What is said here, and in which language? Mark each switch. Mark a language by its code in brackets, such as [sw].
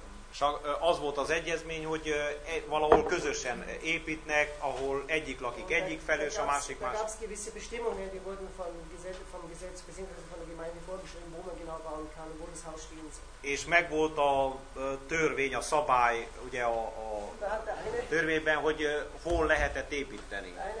[hu] És az volt az egyezmény, hogy valahol közösen építnek, ahol egyik lakik egyik felől, és a másik más. [de] Gab es gewisse Bestimmungen, die wurden vom Gesetz beziehungsweise von der Gemeinde vorgeschrieben, wo man genau bauen kann, wo das Haus stehen soll. [hu] És megvolt a törvény, a szabály, ugye a törvényben, hogy hol lehetett építeni.